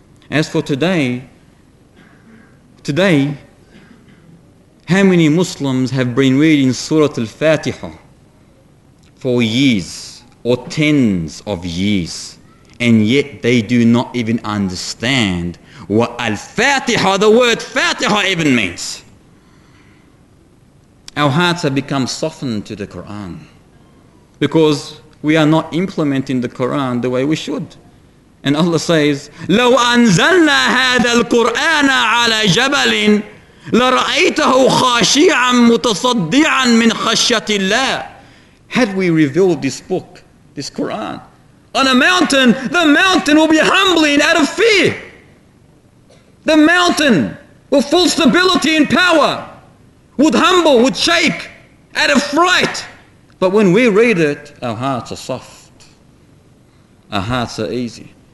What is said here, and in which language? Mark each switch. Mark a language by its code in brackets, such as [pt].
[en] As for today, how many Muslims have been reading Surah Al-Fatiha for years or tens of years, and yet they do not even understand what Al-Fatiha, the word Fatiha, even means? Our hearts have become softened to the Quran because we are not implementing the Quran the way we should. And Allah says, [ar] لَوْ أَنزَلْنَا هَذَا الْقُرْآنَ عَلَى جَبَلٍ لَرَأَيْتَهُ خَاشِعًا مُتَصَدِّعًا مِنْ خَشْيَةِ اللَّهِ. [en] Had we revealed this book, this Quran, on a mountain, the mountain will be humbling out of fear. The mountain with full stability and power would humble, would shake out of fright. But when we read it, our hearts are soft. Our hearts are easy.